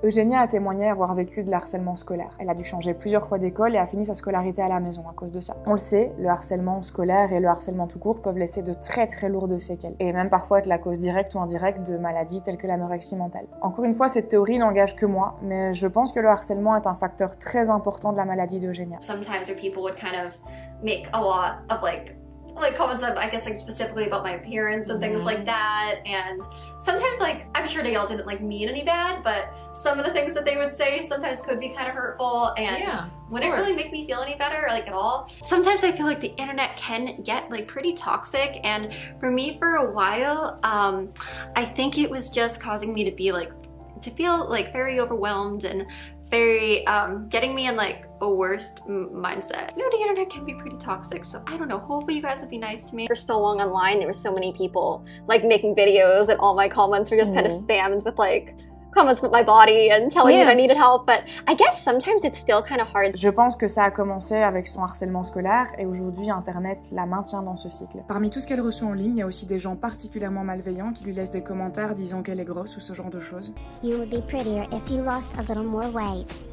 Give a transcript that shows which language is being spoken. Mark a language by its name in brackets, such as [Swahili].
[French] Eugenia a témoigné avoir vécu de l'harcèlement scolaire. Elle a dû changer plusieurs fois d'école et a fini sa scolarité à la maison à cause de ça. On le sait, le harcèlement scolaire et le harcèlement tout court peuvent laisser de très très lourdes séquelles, et même parfois être la cause directe ou indirecte de maladies telles que l'anorexie mentale. Encore une fois, cette théorie n'engage que moi, mais je pense que le harcèlement est un facteur très important de la maladie d'Eugenia. [English] Sometimes your people would kind of make a lot of like comments of, I guess, like specifically about my appearance and things like that, and sometimes, like, I'm sure they all didn't like mean any bad, but some of the things that they would say sometimes could be kind of hurtful, and wouldn't really make me feel any better, like, at all. Sometimes I feel like the internet can get, like, pretty toxic, and for me, for a while, I think it was just causing me to be, like, to feel, like, very overwhelmed and very, getting me in, like, a worst mindset. You know, the internet can be pretty toxic, so I don't know. Hopefully you guys would be nice to me. For so long online, there were so many people, like, making videos, and all my comments were just kind of spammed with, like, comments about my body and telling me that I needed help, but I guess sometimes it's still kind of hard. [French] Je pense que ça a commencé avec son harcèlement scolaire et aujourd'hui Internet la maintient dans ce cycle. Parmi tout ce qu'elle reçoit en ligne, il y a aussi des gens particulièrement malveillants qui lui laissent des commentaires disant qu'elle est grosse ou ce genre de choses. [English] You would be prettier if you lost a little more weight.